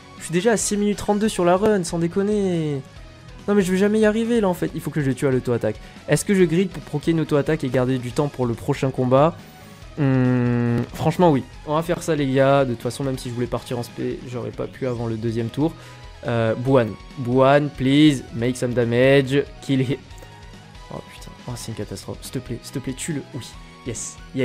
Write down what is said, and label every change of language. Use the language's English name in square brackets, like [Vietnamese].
[French] Je suis déjà à 6 minutes 32 sur la run, sans déconner. Non mais je vais jamais y arriver là en fait, il faut que je le tue à l'auto-attaque. Est-ce que je grid pour proquer une auto-attaque et garder du temps pour le prochain combat? Franchement oui, on va faire ça les gars. De toute façon, même si je voulais partir en spé, j'aurais pas pu avant le deuxième tour. [English] Buan, please, make some damage, kill him. [French] Oh putain, oh c'est une catastrophe, s'il te plaît, tue-le, oui, yes.